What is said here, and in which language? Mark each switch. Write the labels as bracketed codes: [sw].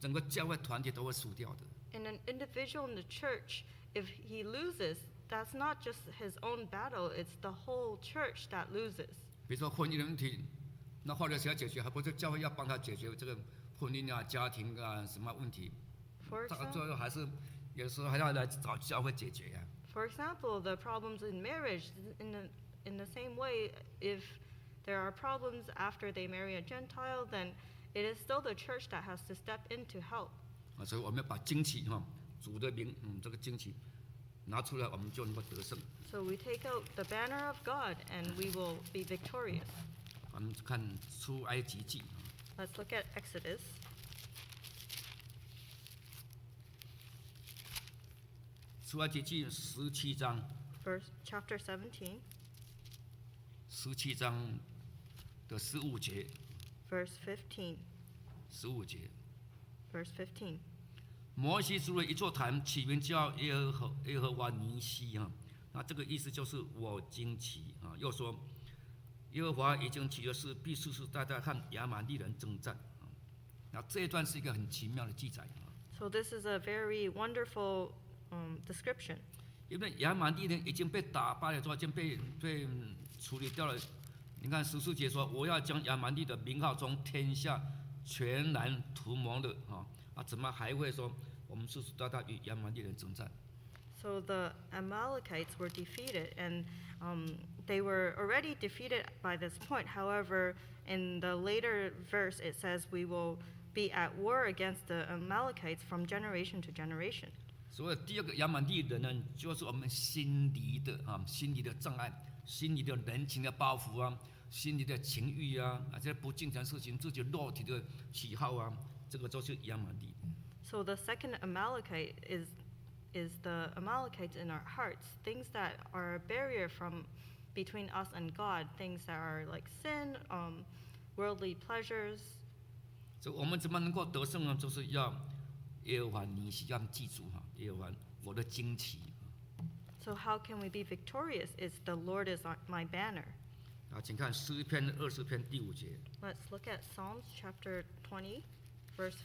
[zh] 那个人输掉，不是说他一个人输掉，我们整个教会的人都会输掉，整个教会团体都会输掉的。 [en] In an individual in the church, if he loses, that's not just his own battle; it's the whole church that loses. [zh] 比如说婚姻的问题，那或者谁要解决，还不是教会要帮他解决这个？婚姻啊，家庭啊，什么问题？他最后还是，有时候还要来找教会解决呀。 [en] For example, the problems in marriage, in the same way, if there are problems after they marry a Gentile, then It is still the church that has to step in to help. [zh] 啊，所以我们要把旌旗哈，主的名，嗯，这个旌旗拿出来，我们就能够得胜。 [en] So we take out the banner of God and we will be victorious. [zh] 我们看出埃及记。 [en] Let's look at Exodus. [zh] 出埃及记十七章。 [en] Verse chapter 17. [zh] 十七章的十五节。 [en] Verse 15. [zh] 十五节。 [en] Verse 15. [zh] 摩西筑了一座坛，起名叫耶和华尼西啊。那这个意思就是我旌旗啊。又说，耶和华已经起了誓，必世世代代和亚玛利人征战啊。那这一段是一个很奇妙的记载啊。 [en] So this is a very wonderful description. [zh] 因为亚玛利人已经被打败了，已经被处理掉了。你看十四节说，我要将亚玛利的名号从天下全然涂抹的啊。怎么还会说我们世世代代与亚玛利人征战 [en] ？So the Amalekites were defeated, and they were already defeated by this point. However, in the later verse, it says we will be at war against the Amalekites from generation to generation. [zh] 所以第二个亚玛利人呢，就是我们心里的啊，心里的障碍，心里的人情的包袱啊，心里的情欲啊，啊这些不正常事情，自己肉体的喜好啊。这个就是亚玛利。 [en] So the second Amalekite is the Amalekites in our hearts, things that are a barrier from between us and God, things that are like sin, worldly pleasures. So [zh] 我们怎么能够得胜呢？就是要耶和华尼西，要记住哈，耶和华我的旌旗。 [en] So how can we be victorious? It's the Lord is my banner. [zh] 啊，请看诗篇二十篇第五节。 [en] Let's look at Psalms chapter 20. Verse